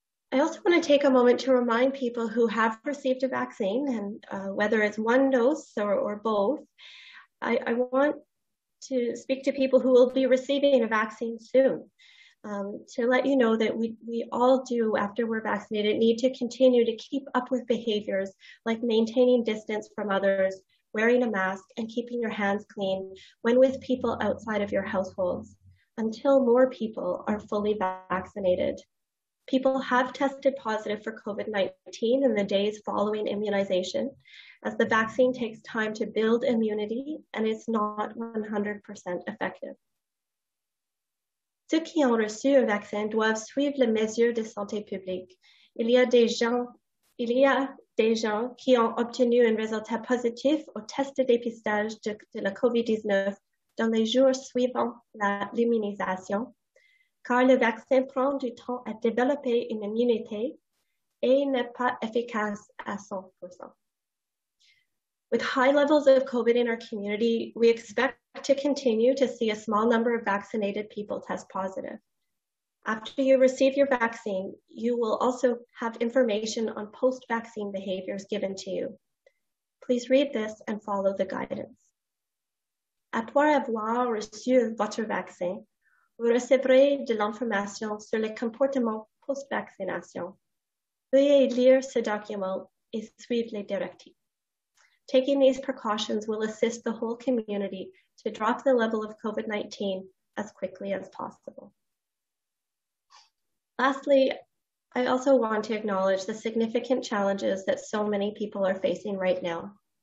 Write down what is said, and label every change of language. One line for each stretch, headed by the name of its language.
English: I also want to take a moment to remind people who have received a vaccine, and whether it's one dose or both, I want to speak to people who will be receiving a vaccine soon, to let you know that we all do, after we're vaccinated, need to continue to keep up with behaviors like maintaining distance from others, wearing a mask, and keeping your hands clean when with people outside of your households until more people are fully vaccinated. People have tested positive for COVID-19 in the days following immunization, as the vaccine takes time to build immunity and it's not 100% effective.
French: Ceux qui ont reçu un vaccin doivent suivre les mesures de santé publique. Il y a des gens qui ont obtenu un résultat positif au test de dépistage de la COVID-19 dans les jours suivant l'immunisation, car le vaccin prend du temps à développer une immunité et n'est pas efficace à 100%.
English: With high levels of COVID in our community, we expect to continue to see a small number of vaccinated people test positive. After you receive your vaccine, you will also have information on post-vaccine behaviors given to you. Please read this and follow the guidance.
French: Après avoir reçu votre vaccin, vous recevrez de l'information sur les comportements post-vaccination. Veuillez lire ce document et suivre les directives.
English: Taking these precautions will assist the whole community to drop the level of COVID-19 as quickly as possible. Lastly, I also want to acknowledge the significant challenges that so many people are facing right now.